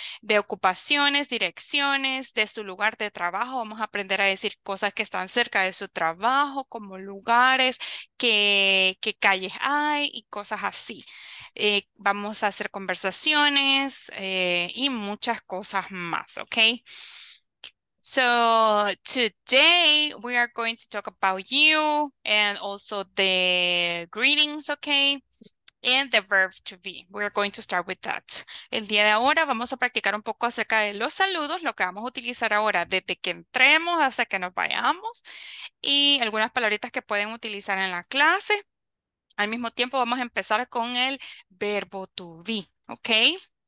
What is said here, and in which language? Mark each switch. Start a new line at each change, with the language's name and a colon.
Spanish: De ocupaciones, direcciones, de su lugar de trabajo. Vamos a aprender a decir cosas que están cerca de su trabajo, como lugares, qué calles hay y cosas así. Vamos a hacer conversaciones y muchas cosas más, ¿ok?
English: So, today we are going to talk about you and also the greetings, ¿ok? And the verb to be. We're going to start with that.
Spanish: El día de ahora vamos a practicar un poco acerca de los saludos, lo que vamos a utilizar ahora desde que entremos hasta que nos vayamos y algunas palabritas que pueden utilizar en la clase. Al mismo tiempo vamos a empezar con el verbo to be, ¿ok?